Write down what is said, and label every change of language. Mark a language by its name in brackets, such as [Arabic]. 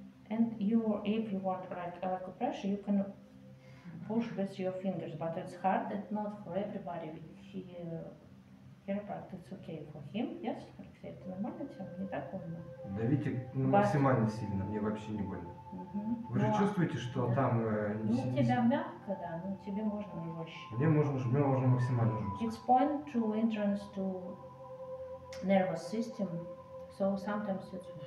[English] And you, if you want like acupressure, you can push with your fingers, but it's hard. It's not for everybody. Chiropractic, it's okay for him. [Russian] Yes, это нормально, тем не так больно. Давите максимально сильно, мне вообще не больно. Вы же чувствуете, что там не сильно. Ну тебя мягко, да, но тебе можно жестче. Мне можно, мне можно максимально жестко. [English] It's point to entrance to nervous system, so sometimes it's.